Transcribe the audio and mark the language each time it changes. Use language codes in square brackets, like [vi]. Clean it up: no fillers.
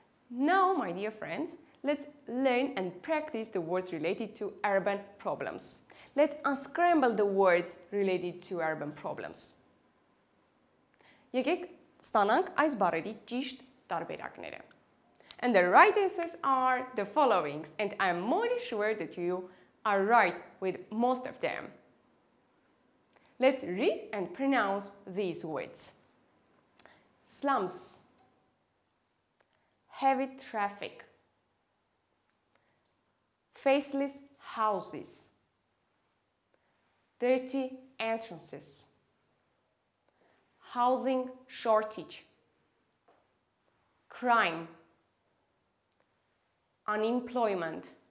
[en] Now, my dear friends, let's learn and practice the words related to urban problems. Let's unscramble the words related to urban problems. [hy] Եկեք ստանանք այս բառերի ճիշտ տարբերակները. [en] And the right answers are the following, and I'm more than sure that you are right with most of them. Let's read and pronounce these words. Slums, heavy traffic, faceless houses, dirty entrances, housing shortage, crime, unemployment,